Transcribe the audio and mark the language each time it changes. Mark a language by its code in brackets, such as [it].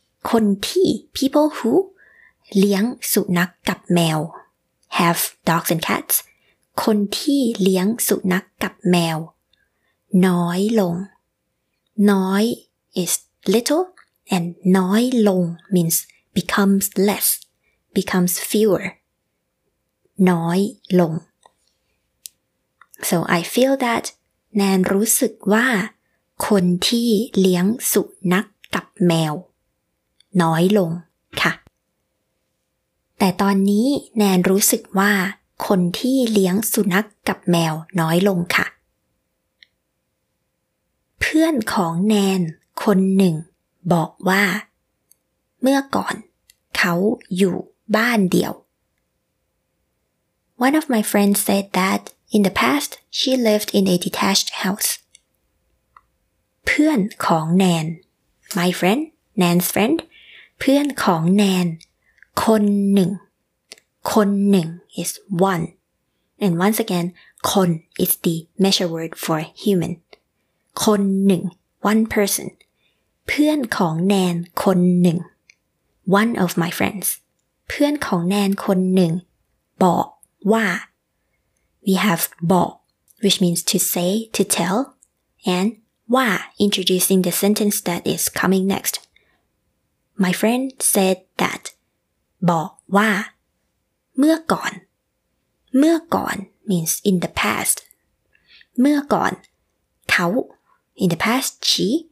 [th] คนที่ [en] people who [th] เลี้ยง สุนัข กับ แมว [en] have dogs and cats. [th] คนที่ เลี้ยง สุนัข กับ แมว น้อยลง น้อย [en] is little. And น้อยลง means becomes less, becomes fewer. [th] น้อยลง [en] So I feel that [th] Nan รู้สึกว่าคนที่เลี้ยงสุนัขกับแมวน้อยลงค่ะแต่ตอนนี้แนนรู้สึกว่าคนที่เลี้ยงสุนัขกับแมวน้อยลงค่ะ เพื่อนของแนนคนหนึ่งบอกว่าเมื่อก่อนเขาอยู่บ้านเดียว [en] One of my friends said that in the past she lived in a detached house [th] เพื่อนของแนน [en] My friend Nan's friend [th] เพื่อนของแนนคนหนึ่ง [en] is one And once again, คน is the measure word for human. [th] คนหนึ่ง [en] one person. [th] เพื่อนของแนนคนหนึ่ง [en] one of my friends. [th] เพื่อนของแนนคนหนึ่งบอกว่า [en] we have บอก which means to say, to tell, and ว่า introducing the sentence that is coming next. My friend said that [th] บอกว่าเมื่อก่อนเมื่อก่อน [en] means in the past. [th] เมื่อก่อนเขา [en] in the past she.